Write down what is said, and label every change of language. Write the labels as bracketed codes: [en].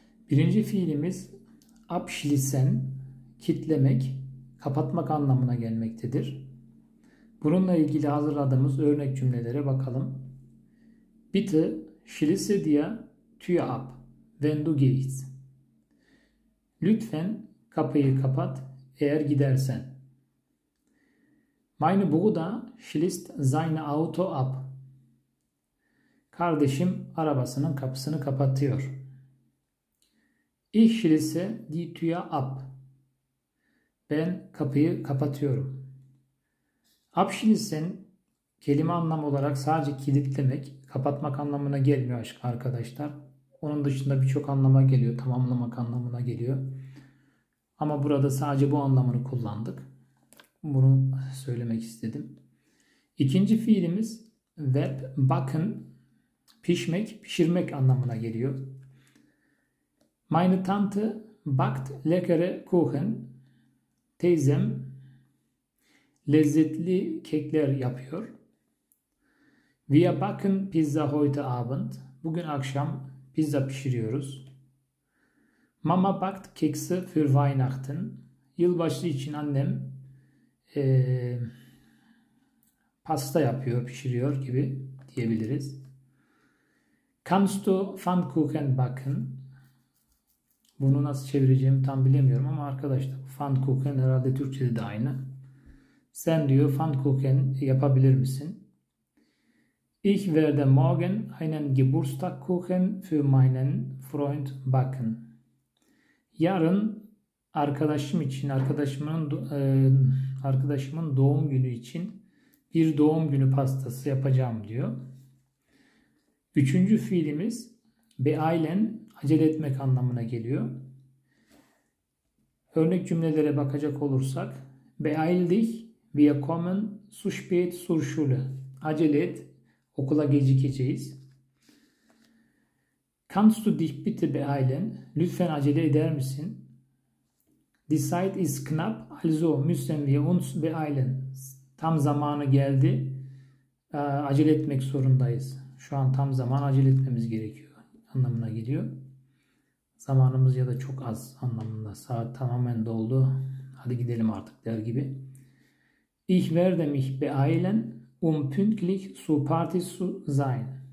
[tr] Birinci fiilimiz abşilisen, kitlemek, kapatmak anlamına gelmektedir. Bununla ilgili hazırladığımız örnek cümlelere bakalım. [de] Bitte şilisediya tüya ab, wenn du gehst. [tr] Lütfen kapıyı kapat eğer gidersen. [de] Meine Bruder schließt seine Auto ab. [tr] Kardeşim arabasının kapısını kapatıyor. [de] Ich schließe die Tür ab. [tr] Ben kapıyı kapatıyorum. Abschließen kelime anlam olarak sadece kilitlemek, kapatmak anlamına gelmiyor aşk arkadaşlar. Onun dışında birçok anlama geliyor, tamamlamak anlamına geliyor. Ama burada sadece bu anlamını kullandık. Bunu söylemek istedim. İkinci fiilimiz web bakın pişmek, pişirmek anlamına geliyor. [de] Meine Tante backt leckere Kuchen. [tr] Teyzem lezzetli kekler yapıyor. [de] Wir backen Pizza heute Abend. [tr] Bugün akşam pizza pişiriyoruz. [de] Mama backt Kekse für Weihnachten. [tr] Yılbaşı için annem pasta yapıyor, pişiriyor gibi diyebiliriz. [de] Kannst du Pfannkuchen backen? [tr] Bunu nasıl çevireceğimi tam bilemiyorum ama arkadaşlar Pfannkuchen herhalde Türkçe'de de aynı. Sen diyor Pfannkuchen yapabilir misin? [de] Ich werde morgen einen Geburtstagskuchen für meinen Freund backen. [tr] Yarın arkadaşım için, arkadaşımın doğum günü için bir doğum günü pastası yapacağım diyor. Üçüncü fiilimiz beeilen, acele etmek anlamına geliyor. Örnek cümlelere bakacak olursak, [de] beeil dich, wir kommen zu spät zur Schule. [tr] Acele et, okula gecikeceğiz. [de] Kannst du dich bitte beeilen? [tr] Lütfen acele eder misin? [de] Die Zeit ist knapp, also müssen wir uns beeilen. [tr] Tam zamanı geldi. Acele etmek zorundayız. Şu an tam zaman, acele etmemiz gerekiyor anlamına geliyor. Zamanımız ya da çok az anlamında. Saat tamamen doldu. Hadi gidelim artık der gibi. [de] Ich werde mich beeilen, pünktlich zur Party zu sein.